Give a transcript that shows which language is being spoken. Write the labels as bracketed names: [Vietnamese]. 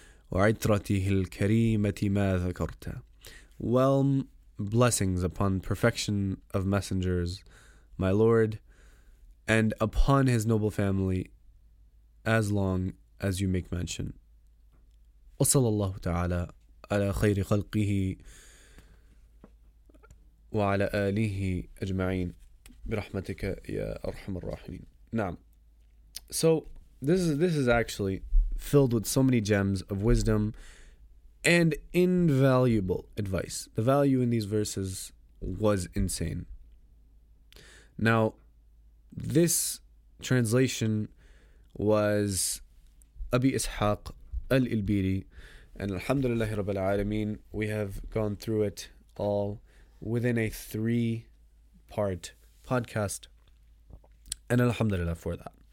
[Arabic] وَعِتْرَتِهِ الْكَرِيمَةِ مَا ذَكَرْتَ. [English] Well, blessings upon perfection of messengers, my Lord, and upon his noble family, as long as you make mention. [Arabic] وصلى الله تعالى على خير خلقه وعلى آله أجمعين برحمتك يا أرحم الراحمين. نعم. [English] So this is actually filled with so many gems of wisdom and invaluable advice. The value in these verses was insane. Now, this translation was Abi Ishaq Al-Ilbiri, and [Arabic] alhamdulillah rabbil alameen, [English] we have gone through it all within a 3-part podcast, and alhamdulillah for that.